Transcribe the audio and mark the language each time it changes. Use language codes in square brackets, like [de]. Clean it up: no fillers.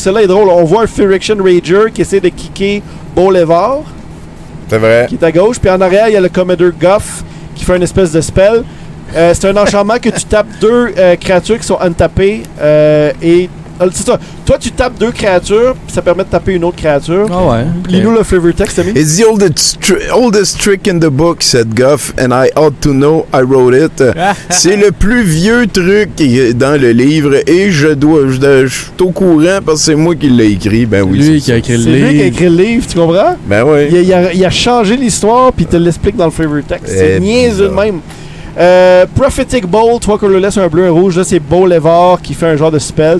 [fr] Cela est drôle. On voit un Ferrixion Rager qui essaie de kicker Bolivar. C'est vrai. Qui est à gauche. Puis en arrière, il y a le Commander Guff qui fait une espèce de spell. C'est un enchantement que tu tapes deux créatures qui sont untappées. C'est ça. Toi, tu tapes deux créatures, puis ça permet de taper une autre créature. Ah ouais. Okay. Lis-nous le flavor text, Tommy. [en] It's the oldest trick in the book, said Guff, and I ought to know I wrote it. [fr] C'est le plus vieux truc dans le livre, et je suis au courant parce que c'est moi qui l'ai écrit. Ben oui, lui qui a écrit le livre. C'est lui qui a écrit le livre, tu comprends? Ben oui. Il a changé l'histoire, puis il te l'explique dans le flavor text. C'est niaiseux de même. Prophetic Bolt, tu vois qu'on le laisse un bleu, un rouge. Là, c'est Bolivar qui fait un genre de spell.